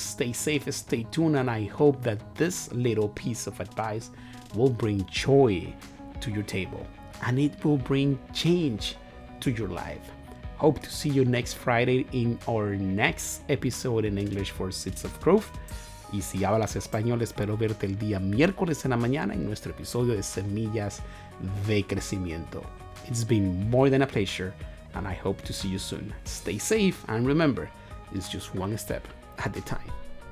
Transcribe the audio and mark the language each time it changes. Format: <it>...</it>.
<en>Stay safe, stay tuned, and I hope that this little piece of advice will bring joy to your table and it will bring change to your life. Hope to see you next Friday in our next episode in English for Seeds of Growth.</en> <es>Y si hablas español, espero verte el día miércoles en la mañana en nuestro episodio de Semillas de Crecimiento.</es> <en>It's been more than a pleasure, and I hope to see you soon. Stay safe, and remember, it's just one step at a time.</en>